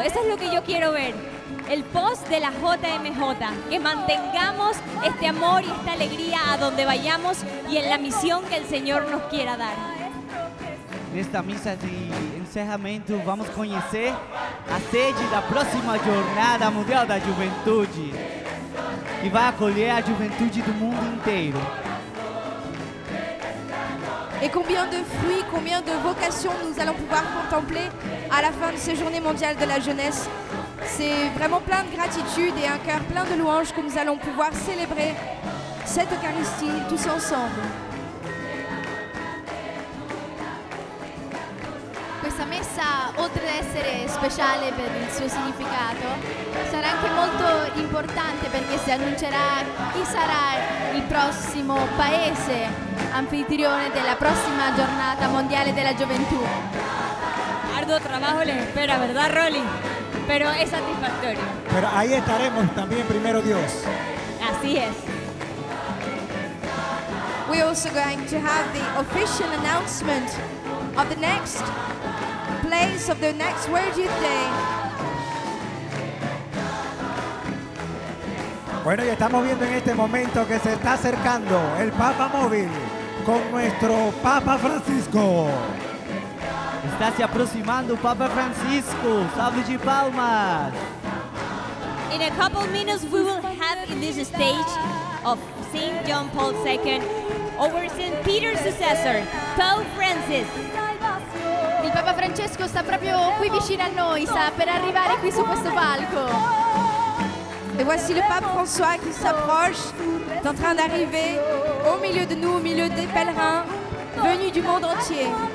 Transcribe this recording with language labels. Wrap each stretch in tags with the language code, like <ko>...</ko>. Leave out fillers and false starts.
<es>Eso es lo que yo quiero ver, el post de la JMJ, que mantengamos este amor y esta alegría a donde vayamos y en la misión que el Señor nos quiera dar. En esta misa de encerramiento vamos a conocer la sede de la próxima Jornada Mundial de la Juventud, que va a acoger a la juventud del mundo entero.</es> <fr>Et combien de fruits, combien de vocations nous allons pouvoir contempler à la fin de ces journées mondiales de la jeunesse. C'est vraiment plein de gratitude et un cœur plein de louanges que nous allons pouvoir célébrer cette Eucharistie tous ensemble.</fr> <it>Questa messa, oltre ad essere speciale per il suo significato, sarà anche molto importante perché si annuncerà chi sarà il prossimo paese anfitrione della prossima giornata mondiale della gioventù.</it> <es>Arduo lavoro les espera, ¿verdad, Rolly? Pero es satisfactorio. Pero ahí estaremos también, primero Dios. Así es.</es> <en>We're also going to have the official announcement of the next place of the next World Youth Day.</en> <es>Bueno, y estamos viendo en este momento que se está acercando el Papa Móvil con nuestro Papa Francisco. Está se aproximando Papa Francisco. Salve de palmas.</es> <en>In a couple minutes we will have in this stage of St. John Paul II over St. Peter's successor, Pope Francis.</en> <it>Il Papa Francesco sta proprio qui vicino a noi, sta per arrivare qui su questo palco.</it> <fr>Et voici le pape François qui s'approche, en train d'arriver au milieu de nous, au milieu des pèlerins venus du monde entier.</fr>